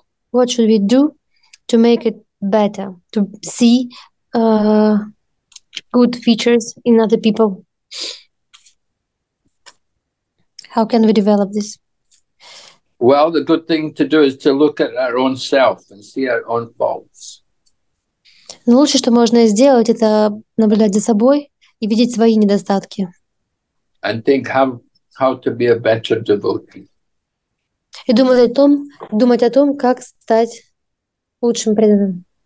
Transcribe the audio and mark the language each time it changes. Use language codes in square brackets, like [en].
[en] What should we do to make it better, to see good features in other people? How can we develop this? Well, the good thing to do is to look at our own self and see our own faults. [ru] Но лучше, что можно сделать, это наблюдать за собой и видеть свои недостатки. [en] And think how to be a better devotee. [ru] И думать о том, как стать лучшим преданным.